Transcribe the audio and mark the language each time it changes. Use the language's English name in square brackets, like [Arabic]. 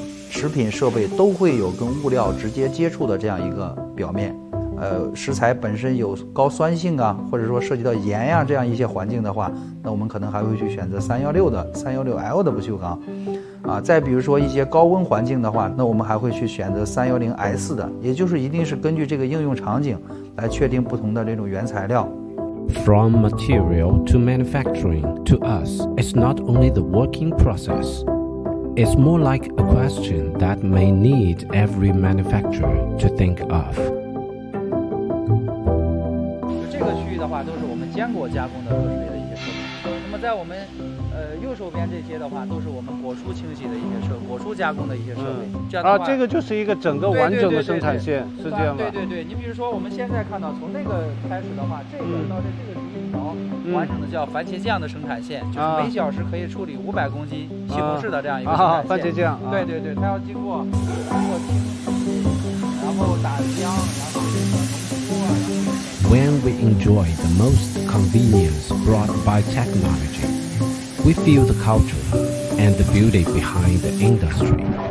[Chinese] 食品设备都会有跟物料直接接触的这样一个表面，食材本身有高酸性啊，或者说涉及到盐呀、这样一些环境的话，那我们可能还会去选择316的 316L 的不锈钢。啊，再比如说一些高温环境的话，那我们还会去选择 310S 的，也就是一定是根据这个应用场景来确定不同的这种原材料。 [English] From material to manufacturing to us, it's not only the working process. It's more like a question that may need every manufacturer to think of. [Chinese] 这个区域的话，都是我们坚果加工的热水的一些设备。那么在我们右手边这些的话，都是我们果蔬清洗的一些设备，果蔬加工的一些设备。嗯、这个就是一个整个完整的生产线，对对对对是这样吗？对对对，你比如说我们现在看到，从这个开始的话，这个到这个是一条完整的叫番茄酱的生产线，就是每小时可以处理500公斤西红柿的这样一个生产线。番茄酱。对对对，它要经过清洗，然后打浆，然后。 [English] When we enjoy the most convenience brought by technology, we feel the culture and the beauty behind the industry.